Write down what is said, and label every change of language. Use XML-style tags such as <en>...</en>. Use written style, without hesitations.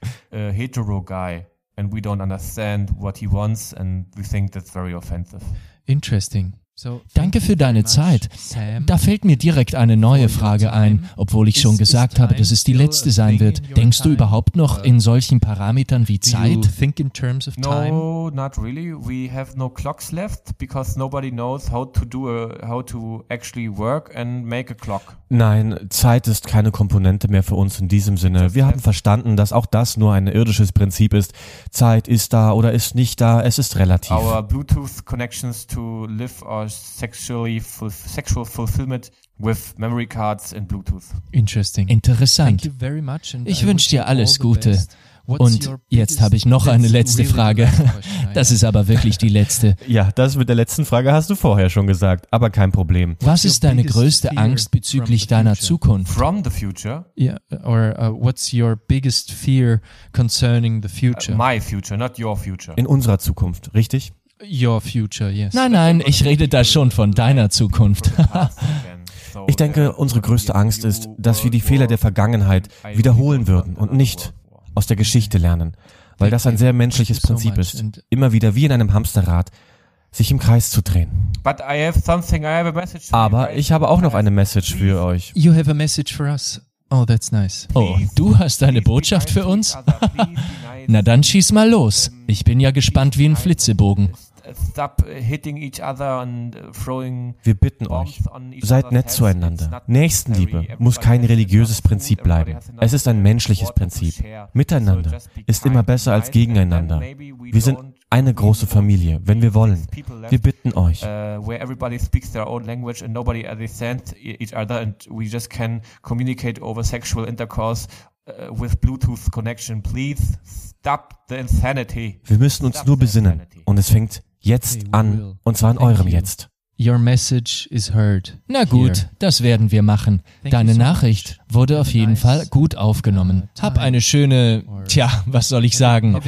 <en>Hetero guy and we don't understand what he wants and we think that's very offensive. Interesting.</en> <de>So, danke für deine Zeit. Da fällt mir direkt eine neue Frage ein, obwohl ich schon gesagt habe, dass es die letzte sein wird. Denkst du überhaupt noch in solchen Parametern wie Zeit?</de> <en>Think in terms of time? No, not really. We have no clocks left because nobody knows how to actually work and make a clock.</en> <de>Nein, Zeit ist keine Komponente mehr für uns in diesem Sinne. Wir haben verstanden, dass auch das nur ein irdisches Prinzip ist. Zeit ist da oder ist nicht da, es ist relativ.</de> <en>Our Bluetooth connections to live or sexual fulfillment with memory cards and Bluetooth. Interesting.</en> <de>Interessant.</de> <en>Thank you very much and</en> <de>ich wünsche dir alles Gute. Und jetzt habe ich noch eine letzte Frage. Das ist aber wirklich die letzte. Ja, das mit der letzten Frage hast du vorher schon gesagt, aber kein Problem. Was ist deine größte Angst bezüglich deiner Zukunft?</de> <en>From the future? Yeah, or what's your biggest fear concerning the future? My future, not your future.</en> <de>In unserer Zukunft, richtig?</de> <en>Your future, yes.</en> <de>Nein, nein, ich rede da schon von deiner Zukunft. Ich denke, unsere größte Angst ist, dass wir die Fehler der Vergangenheit wiederholen würden und nicht aus der Geschichte lernen, weil das ein sehr menschliches Prinzip ist, immer wieder wie in einem Hamsterrad sich im Kreis zu drehen.</de> <en>But I have something, I have a message for</en> <de>Aber ich habe auch noch eine Message für euch.</de> <en>You have a message for us. Oh, that's nice.</en> <de>Oh, du hast eine Botschaft für uns? Na dann schieß mal los. Ich bin ja gespannt wie ein Flitzebogen.</de> <en>Stop hitting each other and throwing</en> <de>Wir bitten euch, seid nett zueinander. Nächstenliebe muss kein religiöses Prinzip bleiben. Es ist ein menschliches Prinzip. Miteinander ist immer besser als gegeneinander. Wir sind eine große Familie, wenn wir wollen. Wir bitten euch.</de> <en>Where everybody speaks their own language and nobody understands each other and we just can communicate over sexual intercourse with Bluetooth connection. Please stop the insanity.</en> <de>Wir müssen uns nur besinnen und es fängt jetzt an, und zwar in eurem Jetzt.</de> <en>Your message is heard.</en> <de>Na gut, das werden wir machen. Deine Nachricht wurde auf jeden Fall gut aufgenommen. Hab eine schöne, tja, was soll ich sagen?</de>